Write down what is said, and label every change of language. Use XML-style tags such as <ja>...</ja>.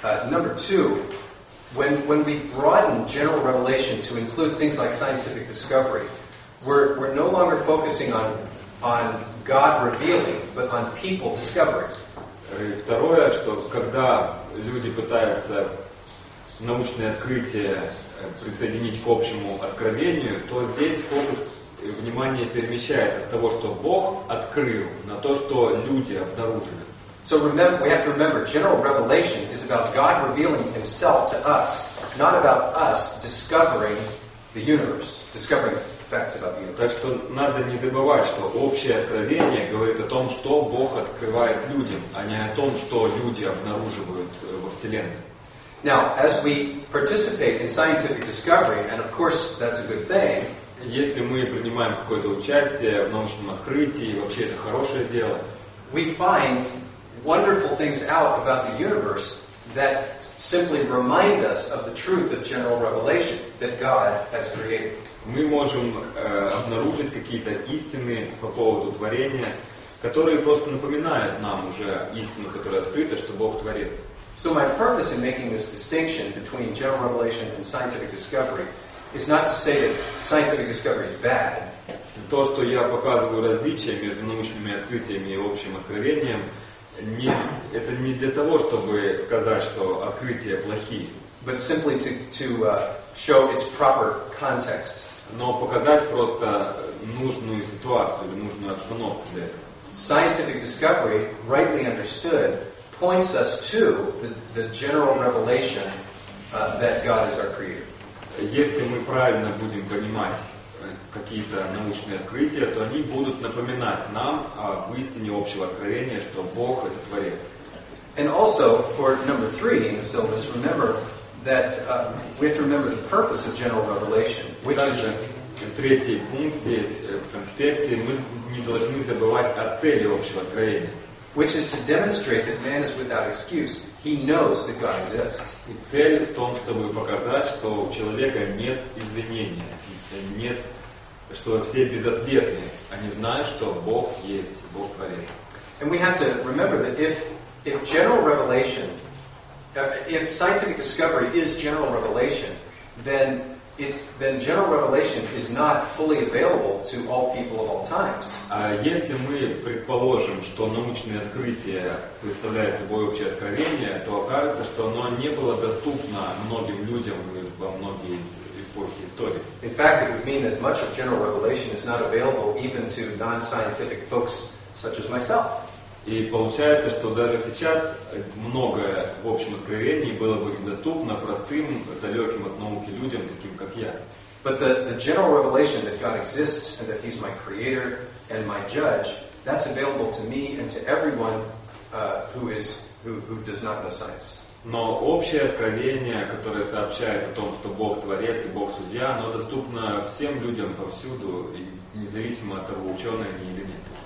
<en>Number two, when we broaden general revelation to include things like scientific discovery, we're no longer focusing on God revealing, but on people discovering.</en> <ru>И второе, что когда люди пытаются научные открытия присоединить к общему откровению, то здесь фокус внимания перемещается с того, что Бог открыл, на то, что люди обнаружили.</ru> <en>So remember, we have to remember, general revelation is about God revealing Himself to us, not about us discovering the universe, discovering facts about the universe.</en> <ru>Так что надо не забывать, что общее откровение говорит о том, что Бог открывает людям, а не о том, что люди обнаруживают во Вселенной.</ru> <en>Now, as we participate in scientific discovery, and of course, that's a good thing.</en> <ru>Если мы принимаем какое-то участие в научном открытии, вообще это хорошее дело.</ru> <en>We find wonderful things out about the universe that simply remind us of the truth of general revelation that God has created.</en> <ru>Мы можем обнаружить какие-то истины по поводу творения, которые просто напоминают нам уже истину, которая открыта, что Бог творец.</ru> <en>So my purpose in making this distinction between general revelation and scientific discovery is not to say that scientific discovery is bad.</en> <ru>То, что я показываю различие между научными открытиями и общим откровением, не, это не для того, чтобы сказать, что открытия плохие.</ru> <en>But simply to show its proper context.</en> <ru>Но показать просто нужную ситуацию или нужную обстановку для этого.</ru> <en>Scientific discovery, rightly understood, points us to the general revelation that God is our creator.</en> <ru>Если мы правильно будем понимать какие-то научные открытия, то они будут напоминать нам об истине общего откровения, что Бог — это Творец.</ru> <en>And also, for number three in the syllabus, remember that we have to remember the purpose of general revelation, which is...</en> <ru>Третий пункт здесь, в конспекте, мы не должны забывать о цели общего откровения.</ru> <en>Which is to demonstrate that man is without excuse. He knows that God exists.</en> <ru>И цель в том, чтобы показать, что у человека нет извинения, нет, что все безответные. Они знают, что Бог есть, Бог творец.</ru> <en>And we have to remember that if general revelation, if scientific discovery is general revelation, then general revelation is not fully available to all people of all times.</en> <ru>А если мы предположим, что научные открытия представляют собой общее откровение, то окажется, что оно не было доступно многим людям во многие эпохи истории.</ru> <en>In fact, it would mean that much of general revelation is not available even to non-scientific folks such as myself.</en> <ru>И получается, что даже сейчас многое в общем откровении было бы недоступно простым, далеким от науки людям, таким как я.</ru> <en>But the general revelation that God exists and that He's my creator and my judge, that's available to me and to everyone who does not know science.</en> <ru>Но общее откровение, которое сообщает о том, что Бог творец и Бог судья, оно доступно всем людям повсюду, независимо от того, ученый они или нет.</ru>